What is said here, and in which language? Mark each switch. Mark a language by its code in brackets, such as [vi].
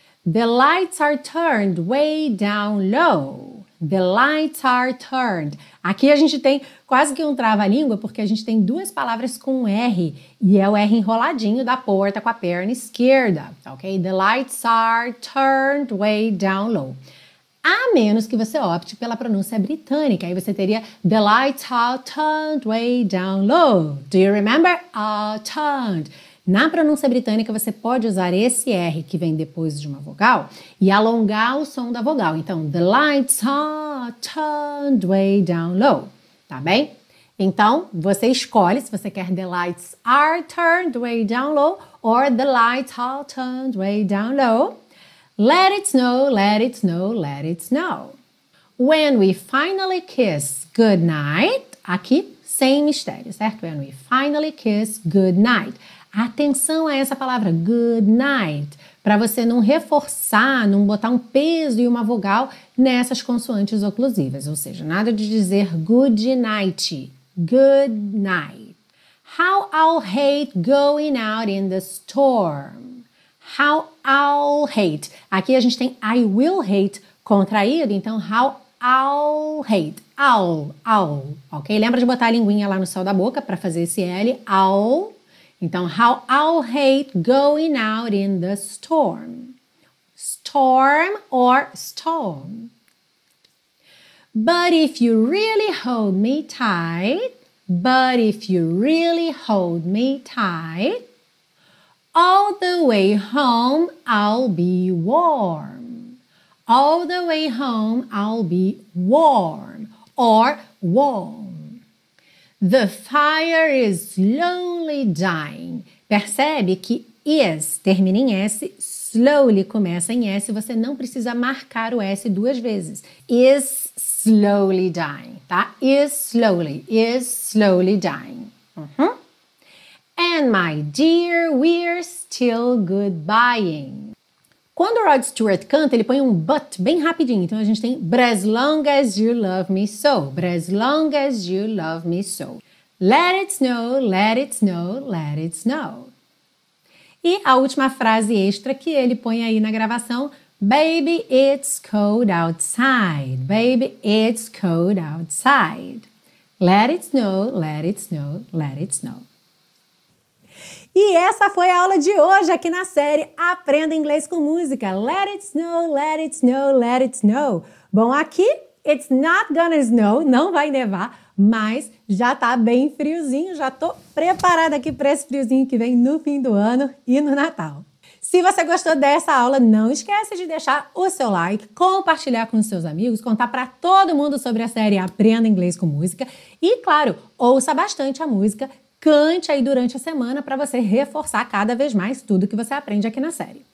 [en] The lights are turned way down low. The lights are turned. [pt] Aqui a gente tem quase que um trava-língua, porque a gente tem duas palavras com R, e é o R enroladinho da porta com a perna esquerda. Ok? [en] The lights are turned way down low. [pt] A menos que você opte pela pronúncia britânica, aí você teria [en] the lights are turned way down low. Do you remember? [pt] Are turned. Na pronúncia britânica, você pode usar esse R que vem depois de uma vogal e alongar o som da vogal. [en] Então, the lights are turned way down low, [pt] tá bem? Então, você escolhe se você quer [en] the lights are turned way down low or the lights are turned way down low. Let it snow, let it snow, let it snow. When we finally kiss goodnight, [pt] aqui, sem mistério, certo? [en] When we finally kiss goodnight. [pt] Atenção a essa palavra, good night, para você não reforçar, não botar um peso e uma vogal nessas consoantes oclusivas. Ou seja, nada de dizer good night, good night. [en] How I'll hate going out in the storm. How I'll hate. [pt] Aqui a gente tem [en] I will hate [pt] contraído, então [en] how I'll hate. I'll, I'll, ok? [pt] Lembra de botar a linguinha lá no céu da boca para fazer esse L, I'll. [en] Então, how I'll hate going out in the storm. Storm or storm. But if you really hold me tight, but if you really hold me tight, all the way home I'll be warm. All the way home I'll be warm or warm. The fire is slowly dying. [pt] Percebe que is termina em S, slowly começa em S, você não precisa marcar o S duas vezes. [en] Is slowly dying, tá? Is slowly dying. Uh-huh. And my dear, we're still goodbying. [pt] Quando o Rod Stewart canta, ele põe um but bem rapidinho. Então a gente tem [en] But as long as you love me so, but as long as you love me so. Let it snow, let it snow, let it snow. [pt] E a última frase extra que ele põe aí na gravação, [en] Baby, it's cold outside. Baby, it's cold outside. Let it snow, let it snow, let it snow. [pt] E essa foi a aula de hoje aqui na série Aprenda Inglês com Música. [en] Let it snow, let it snow, let it snow. [pt] Bom, aqui, [en] it's not gonna snow, [pt] não vai nevar, mas já tá bem friozinho, já tô preparada aqui para esse friozinho que vem no fim do ano e no Natal. Se você gostou dessa aula, não esquece de deixar o seu like, compartilhar com seus amigos, contar para todo mundo sobre a série Aprenda Inglês com Música e, claro, ouça bastante a música, cante aí durante a semana para você reforçar cada vez mais tudo que você aprende aqui na série.